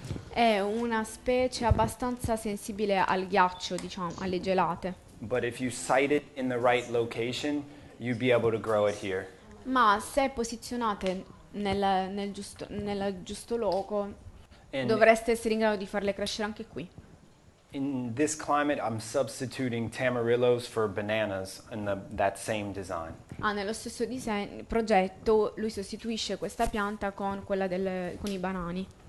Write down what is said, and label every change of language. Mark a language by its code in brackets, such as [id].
[it] È una specie abbastanza sensibile al ghiaccio, diciamo, alle gelate. [en] But if you site it in the right location, you'd be able to grow it here. [it] Ma se posizionate nel giusto luogo, and dovreste essere in grado di farle crescere anche qui. [en] In this climate, I'm substituting tamarillos for bananas in that same design. [it] Ah, nello stesso progetto, lui sostituisce questa pianta con quella con i banani.